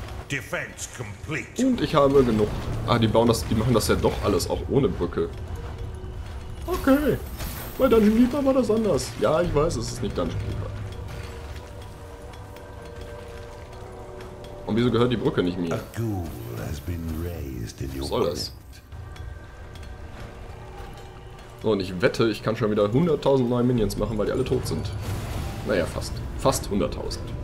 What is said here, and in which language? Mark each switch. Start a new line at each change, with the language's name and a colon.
English: Defense complete.
German: Und ich habe genug. Ah, die bauen das, die machen das ja doch alles auch ohne Brücke. Okay. Bei Dungeon Keeper war das anders. Ja, ich weiß, es ist nicht Dungeon Keeper. Und wieso gehört die Brücke nicht mir?
English: A ghoul has been raised in your planet.
German: So, und ich wette, ich kann schon wieder 100.000 neue Minions machen, weil die alle tot sind. Naja, fast. Fast 100.000.